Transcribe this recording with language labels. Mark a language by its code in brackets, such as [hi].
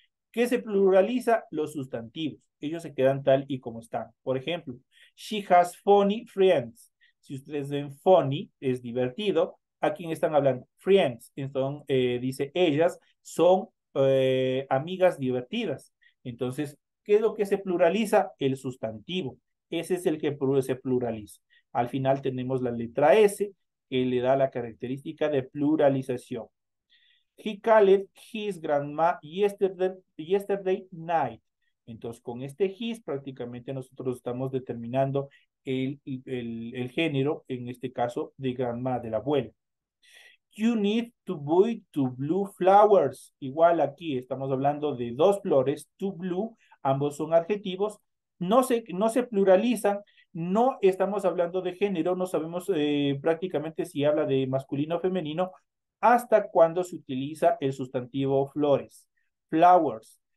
[es] ¿Qué se pluraliza? Los sustantivos. Ellos se quedan tal y como están. Por ejemplo, [en] she has funny friends. [es] Si ustedes ven funny, es divertido. ¿A quién están hablando? Friends. Entonces, dice, ellas son amigas divertidas. Entonces, ¿qué es lo que se pluraliza? El sustantivo. Ese es el que se pluraliza. Al final tenemos la letra S, que le da la característica de pluralización. [en] He called his grandma yesterday night. [es] Entonces, con este his, prácticamente nosotros estamos determinando el género, en este caso, de grandma, de la abuela. [en] You need to buy two blue flowers. [es] Igual aquí estamos hablando de dos flores, [en] two blue, [es] ambos son adjetivos. No se pluralizan, no estamos hablando de género, no sabemos prácticamente si habla de masculino o femenino, hasta cuando se utiliza el sustantivo flores, flowers.